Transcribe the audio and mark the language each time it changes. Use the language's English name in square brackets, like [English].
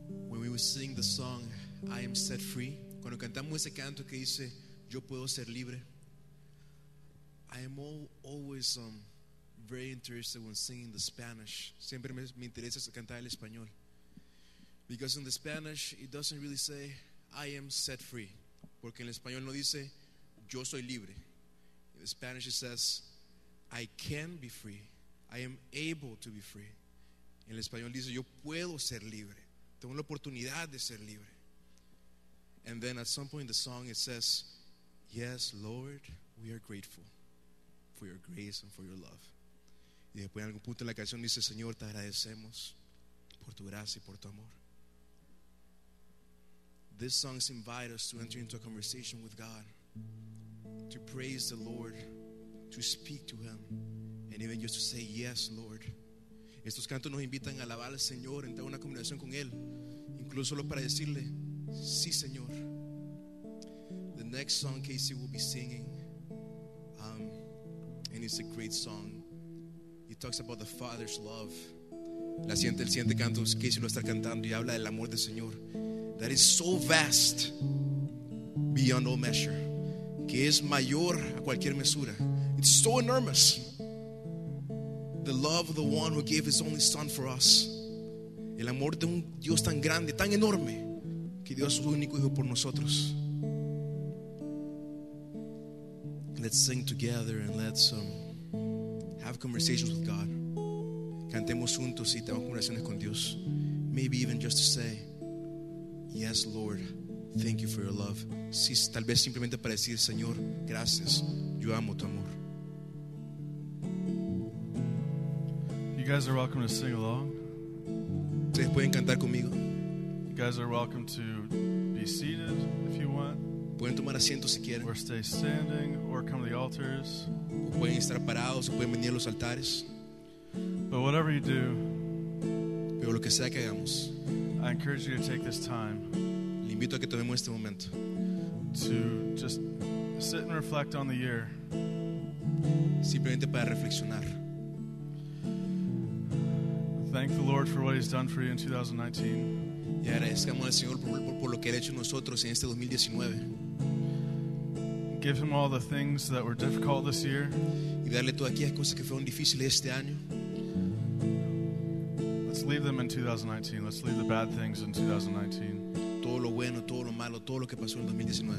[English] When we were singing the song, I am set free. [Spanish] Cuando cantamos ese canto que dice, yo puedo ser libre. [English] I am always very interested when singing the Spanish. [Spanish] Siempre me interesa cantar el español. [English] Because in the Spanish, it doesn't really say, I am set free. [Spanish] Porque en español no dice, yo soy libre. [English] In the Spanish it says, I can be free. I am able to be free. [Spanish] En el español dice, yo puedo ser libre. Tengo la oportunidad de ser libre. [English] And then at some point in the song it says, yes, Lord, we are grateful for your grace and for your love. [Spanish] Y después en algún punto en la canción dice, Señor, te agradecemos por tu gracia y por tu amor. [English] These songs invite us to enter into a conversation with God, to praise the Lord, to speak to Him, and even just to say, yes, Lord. [Spanish] Estos cantos nos invitan a alabar al Señor, entrar en una conversación con Él, incluso solo para decirle, sí, Señor. [English] The next song Casey will be singing, and it's a great song. It talks about the Father's love. [Spanish] La siguiente, el siguiente canto Casey lo está cantando y habla del amor del Señor. [English] That is so vast beyond all measure. [Spanish] Que es mayor a cualquier mesura. [English] It's so enormous. The love of the one who gave his only son for us. [Spanish] El amor de un Dios tan grande, tan enorme, que dio a su único hijo por nosotros. [English] Let's sing together and let's have conversations with God. [Spanish] Cantemos juntos y tengamos conversaciones con Dios. [English] Maybe even just to say, yes, Lord, thank you for your love. [Spanish] Sí, tal vez simplemente para decir, Señor, gracias. Yo amo tu amor. [English] You guys are welcome to sing along. [Spanish] Ustedes pueden cantar conmigo. [English] You guys are welcome to be seated if you want. [Spanish] Pueden tomar asiento si quieren. [English] Or stay standing or come to the altars. [Spanish] O pueden estar parados o pueden venir a los altares. [English] But whatever you do, [Spanish] pero lo que sea que hagamos, [English] I encourage you to take this time. [Spanish] Le invito a que tomemos este momento. [English] To just sit and reflect on the year. [Spanish] Simplemente para reflexionar. [English] Thank the Lord for what He's done for you in 2019. [Spanish] Y agradezcamos al Señor por lo que ha hecho nosotros en este 2019. [English] Give him all the things that were difficult this year. [Spanish] Y darle todas aquellas cosas que fueron difíciles este año. [English] Let's leave them in 2019. Let's leave the bad things in 2019. [Spanish] Todo lo bueno, todo lo malo, todo lo que pasó en 2019.